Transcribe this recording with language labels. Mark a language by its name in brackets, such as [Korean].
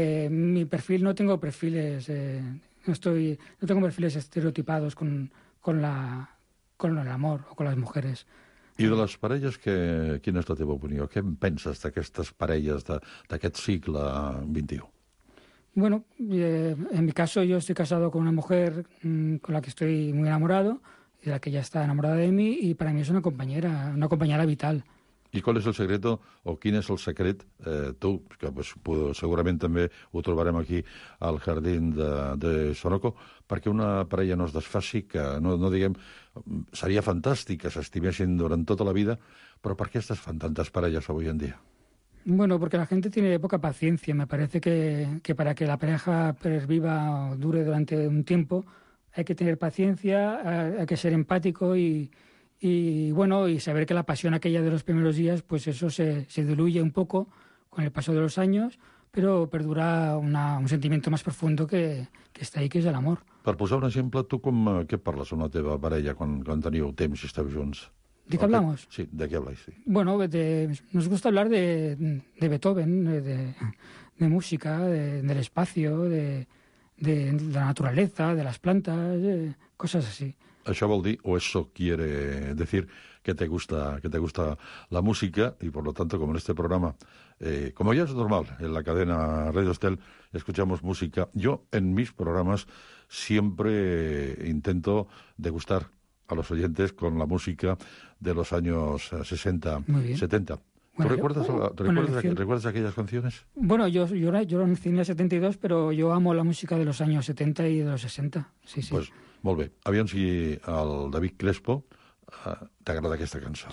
[Spanish] Mi perfil, no tengo perfiles, no tengo perfiles estereotipados con el amor o con las mujeres. [Catalan] I de les parelles, quina és la teva opinió? Què en penses d'aquestes parelles d'aquest segle XXI? [Spanish] Bueno, en mi caso yo estoy casado con una mujer con la que estoy muy enamorado y de la que ya está enamorada de mí y para mí es una compañera vital. ¿Y cuál es el secreto [Catalan] o quién es el secret, tú, que pues, segurament també ho trobarem aquí al jardín de Sonoco, perquè una parella no es desfaci, que no diguem, seria fantàstic que s'estimessin durant tota la vida, però per què es desfan tantes parelles avui en dia? [Spanish] Bueno, porque la gente tiene poca paciencia. Me parece que para que la pareja perviva o dure durante un tiempo hay que tener paciencia, hay que ser empático y saber que la pasión aquella de los primeros días, pues eso se diluye un poco con el paso de los años, pero perdura un sentimiento más profundo que está ahí, que es el amor. [Catalan] Per posar un exemple, tu com què parles amb la teva parella quan teniu temps i esteu junts? [Spanish] ¿De qué hablamos? Sí, ¿de qué habláis? Sí. Bueno, nos gusta hablar de Beethoven, de música, del espacio, de la naturaleza, de las plantas, cosas así. [Catalan] Això vol dir, [Spanish] o eso quiere decir, que te gusta la música, y por lo tanto, como en este programa, como ya es normal, en la cadena Radio Estel, escuchamos música. Yo, en mis programas, siempre intento degustar a los oyentes con la música de los años 60, 70. Bueno, ¿Recuerdas aquellas canciones? Bueno, yo nací en el 72, pero yo amo la música de los años 70 y de los 60. Sí, sí. [Catalan] Pues, molt bé. Aviam si al David Crespo t'agrada aquesta cançó.